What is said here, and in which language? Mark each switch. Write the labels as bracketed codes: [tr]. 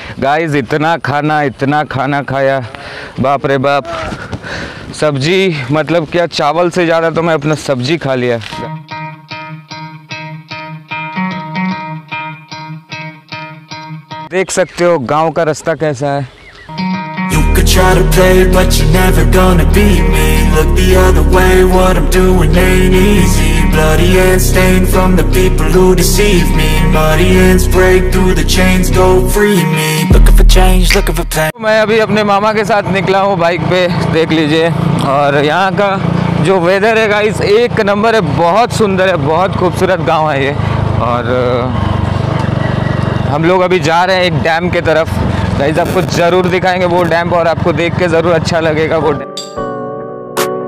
[hi] Guys इतना खाना खाया, बाप रे बाप। सब्जी मतलब क्या, चावल से ज़्यादा तो मैं अपना सब्जी खा लिया। देख सकते हो गांव का रास्ता कैसा है। [en] Could try to play but you're never gonna beat me. Look the other way, what I'm doing ain't easy. Bloody hands stained from the people who deceive me. Muddy hands break through the chains, go free me. Looking for change, looking for pain. [hi] मैं अभी अपने मामा के साथ निकला हूँ bike पे, देख लीजिए। और यहाँ का जो वेदर है गाइस एक नंबर है, बहुत सुंदर है, बहुत खूबसूरत गांव है ये। और हम लोग अभी जा रहे हैं एक डैम के तरफ, गाइस आपको जरूर दिखाएंगे वो डैम और आपको देख के जरूर अच्छा लगेगा वो डैम।